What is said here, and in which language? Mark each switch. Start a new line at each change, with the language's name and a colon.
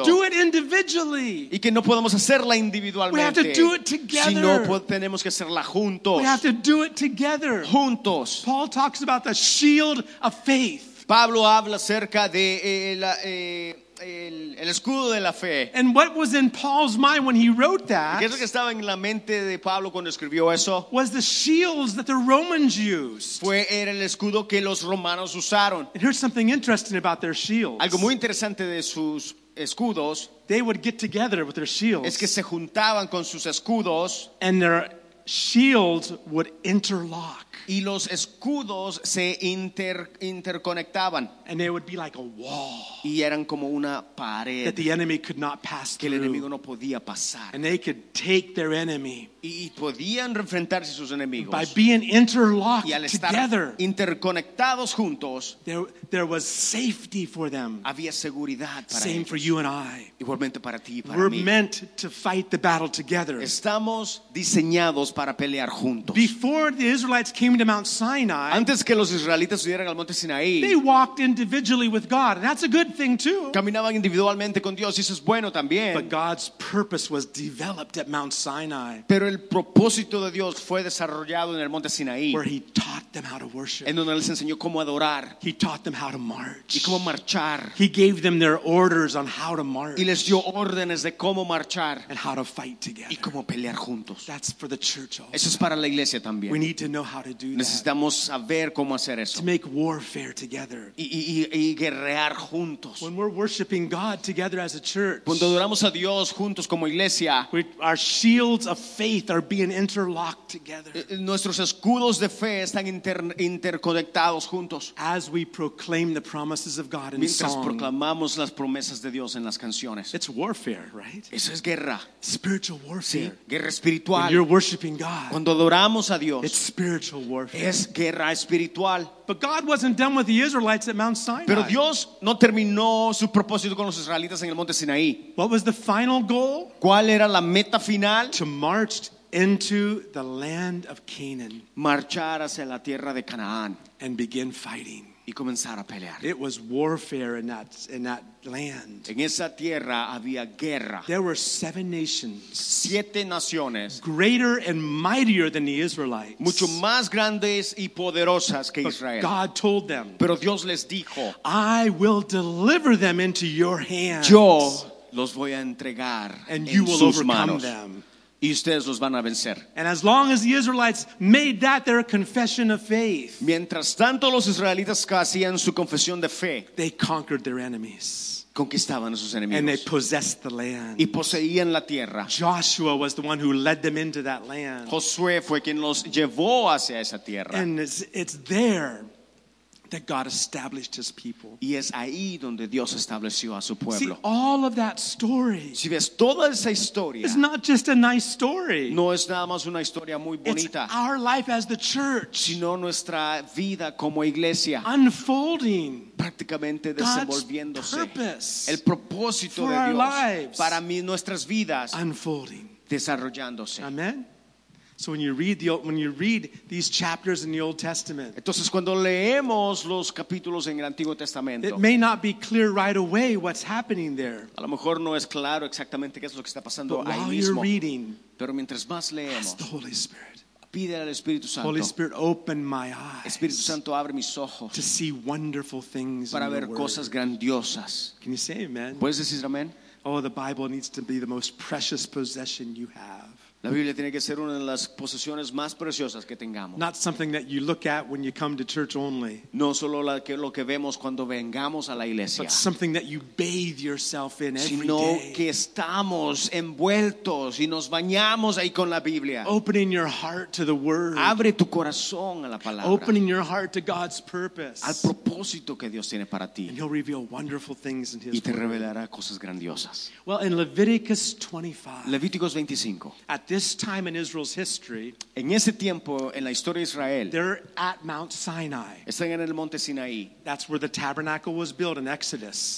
English: And we don't do it individually.
Spanish: Y que no podemos hacerla individualmente.
English: We have to do it together.
Spanish: Sino tenemos que hacerla juntos.
English: We have to do it together.
Spanish: Juntos.
English: Paul talks about the shield of faith.
Spanish: Pablo habla acerca de el escudo de la fe.
English: And what was in Paul's mind when he wrote that?
Spanish: ¿Qué es lo que estaba en la mente de Pablo cuando escribió eso?
English: Was the shields that the Romans used.
Spanish: Fue era el escudo que los romanos usaron.
English: And here's something interesting about their shields.
Spanish: Algo muy interesante de sus escudos.
English: They would get together with their shields.
Spanish: Es que se juntaban con sus escudos.
English: And their shields would interlock.
Spanish: Y los escudos se interconectaban.
English: And they would be like a wall.
Spanish: Y eran como una pared.
English: That the enemy could not pass through.
Spanish: Que el enemigo no podía pasar.
English: And they could take their enemy.
Spanish: Y podían enfrentarse a sus enemigos.
English: By being interlocked
Spanish: y al estar
English: together,
Spanish: interconectados juntos,
English: there was safety for them.
Spanish: Había seguridad para
English: Same
Spanish: ellos.
English: For you and I.
Spanish: Igualmente para ti y para
English: We're
Spanish: mí.
English: Meant to fight the battle together.
Spanish: Estamos diseñados para pelear juntos.
English: Before the Israelites came to Mount Sinai,
Spanish: antes que los israelitas subieran al Monte Sinaí,
English: they walked individually with God, and that's a good thing too.
Spanish: Caminaban individualmente con Dios, y eso es bueno también.
English: But God's purpose was developed at Mount Sinai.
Spanish: Pero el propósito de Dios fue desarrollado en el monte Sinaí.
English: Where he taught them how to worship.
Spanish: En donde les enseñó cómo adorar.
English: He taught them how to march.
Spanish: Y cómo marchar.
English: He gave them their orders on how to march.
Spanish: Y les dio órdenes de cómo marchar.
English: And how to fight together.
Spanish: Y cómo pelear juntos.
English: That's for the church also.
Spanish: Eso es para la iglesia también.
English: We need to know how to do that.
Spanish: Necesitamos saber cómo hacer eso.
English: To make warfare together.
Spanish: Y guerrear juntos.
English: When we're worshiping God together as a church.
Spanish: Cuando adoramos a Dios juntos como iglesia.
English: Our shields of faith. Faith are being interlocked together.
Spanish: Nuestros escudos de fe están interconectados juntos.
English: As we proclaim the promises of God in
Spanish: Mientras
English: song.
Spanish: Mientras proclamamos las promesas de Dios en las canciones.
English: It's warfare, right?
Spanish: Eso es guerra.
English: Spiritual warfare.
Spanish: Sí, guerra espiritual.
English: When you're worshiping God.
Spanish: Cuando adoramos a Dios.
English: It's spiritual warfare.
Spanish: Es guerra espiritual.
English: But God wasn't done with the Israelites at Mount Sinai.
Spanish: Pero Dios no terminó su propósito con los israelitas en el monte Sinaí.
English: What was the final goal?
Spanish: ¿Cuál era la meta final?
English: To march into the land of Canaan.
Spanish: Marchar hacia la tierra de Canaán.
English: And begin fighting.
Spanish: Y comenzar a pelear.
English: It was warfare in that land.
Spanish: En esa tierra había guerra.
English: There were seven nations.
Spanish: Siete naciones.
English: Greater and mightier than the Israelites.
Spanish: Mucho más grandes y poderosas que Israel.
English: But God told them.
Spanish: Pero Dios les dijo.
English: I will deliver them into your hands.
Spanish: Yo los voy a entregar en sus manos.
English: And you will overcome them.
Spanish: Y ustedes los van a vencer.
English: And as long as the Israelites made that their confession of faith,
Spanish: mientras tanto los israelitas hacían su confesión de fe,
English: they conquered their enemies.
Spanish: Conquistaban a sus enemigos.
English: And they possessed the land.
Spanish: Y poseían la tierra.
English: Joshua was the one who led them into that land.
Spanish: Josué fue quien los llevó hacia esa tierra.
English: And it's there that God established his people.
Spanish: Y es ahí donde Dios estableció a su pueblo.
English: See, all of that story.
Spanish: Si ves toda esa historia.
English: It's not just a nice story.
Spanish: No es nada más una historia muy bonita.
English: It's our life as the church.
Spanish: Sino nuestra vida como iglesia.
English: Unfolding.
Spanish: Prácticamente desenvolviéndose.
English: God's purpose.
Spanish: El propósito
English: for
Spanish: de
English: our
Spanish: Dios
English: lives.
Spanish: Para mí nuestras vidas.
English: Unfolding.
Spanish: Desarrollándose.
English: Amen. So when you read these chapters in the Old Testament,
Spanish: entonces cuando leemos los capítulos en el Antiguo Testamento,
English: it may not be clear right away what's happening there.
Spanish: A lo mejor no es claro exactamente qué es lo que está pasando ahí mismo.
English: But while you're reading,
Spanish: pero mientras más leemos,
English: ask the Holy Spirit.
Spanish: Pide al Espíritu Santo.
English: Holy Spirit, open my eyes.
Spanish: Espíritu Santo, abre mis ojos.
English: To see wonderful things.
Spanish: Para ver cosas grandiosas.
English: Can you say amen?
Spanish: ¿Puedes decir amén?
English: Oh, the Bible needs to be the most precious possession you have.
Spanish: La Biblia tiene que ser una de las posesiones más preciosas que tengamos.
English: Not something that you look at when you come to church only.
Spanish: No solo lo que vemos cuando vengamos a la iglesia.
English: But something that you bathe yourself in every day.
Spanish: Sino que estamos envueltos y nos bañamos ahí con la Biblia.
English: Opening your heart to the word.
Spanish: Abre tu corazón a la palabra.
English: Opening your heart to God's purpose.
Spanish: Al propósito que Dios tiene para ti.
English: And he'll reveal wonderful things in his word.
Spanish: Y te revelará cosas grandiosas.
English: Well, in Leviticus 25.
Spanish: Levíticos 25.
English: This time in Israel's history,
Spanish: en ese tiempo en la historia de Israel,
English: they're at Mount Sinai.
Spanish: Están en el Monte Sinaí.
English: That's where the tabernacle was built in Exodus.